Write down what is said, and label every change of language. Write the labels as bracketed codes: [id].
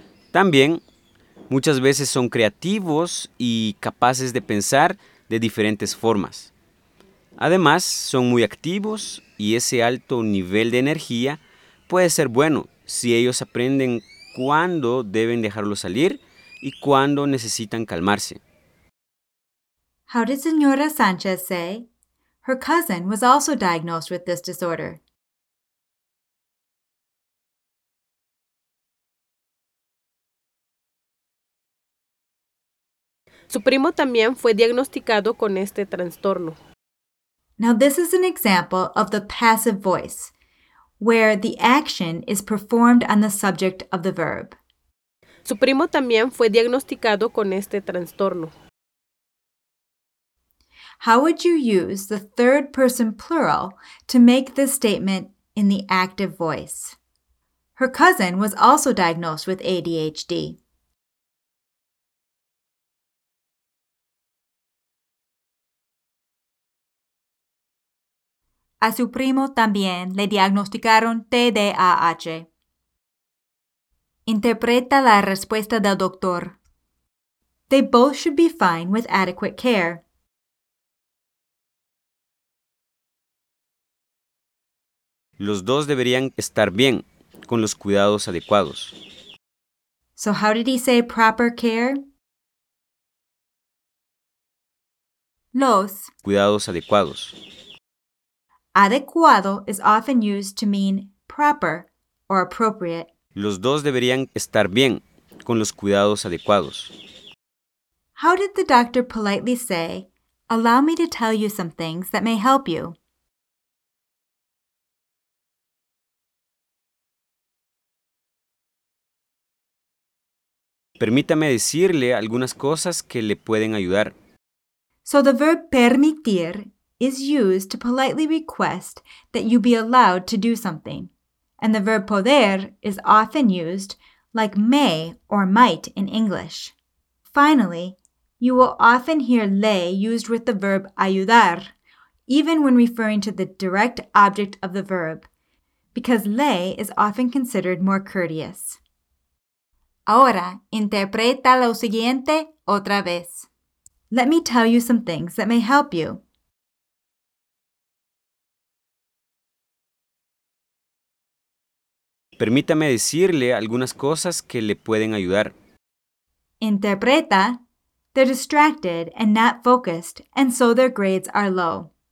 [es] También, muchas veces son creativos y capaces de pensar de diferentes formas. Además, son muy activos y ese alto nivel de energía puede ser bueno si ellos aprenden cuándo deben dejarlo salir y cuándo necesitan calmarse. [en] How did Señora Sánchez say? Her cousin was also diagnosed with this disorder. [es] Su primo también fue diagnosticado con este trastorno. [en] Now this is an example of the passive voice, where the action is performed on the subject of the verb. [es] Su primo también fue diagnosticado con este trastorno. [en] How would you use the third person plural to make this statement in the active voice? Her cousin was also diagnosed with ADHD. [es] A su primo también le diagnosticaron TDAH. Interpreta la respuesta del doctor. [en] They both should be fine with adequate care. [es] Los dos deberían estar bien, con los cuidados adecuados. [en] So how did he say proper care? [es] Los cuidados adecuados. [en] Adecuado is often used to mean proper or appropriate. [es] Los dos deberían estar bien, con los cuidados adecuados. [en] How did the doctor politely say, "Allow me to tell you some things that may help you"? [es] Permítame decirle algunas cosas que le pueden ayudar. [en] So the verb permitir is used to politely request that you be allowed to do something. And the verb poder is often used like may or might in English. Finally, you will often hear le used with the verb ayudar, even when referring to the direct object of the verb, because le is often considered more courteous. [es] Ahora, interpreta lo siguiente otra vez. [en] Let me tell you some things that may help you. [es] Permítame decirle algunas cosas que le pueden ayudar. Interpreta. [en] They're distracted and not focused, and so their grades are low.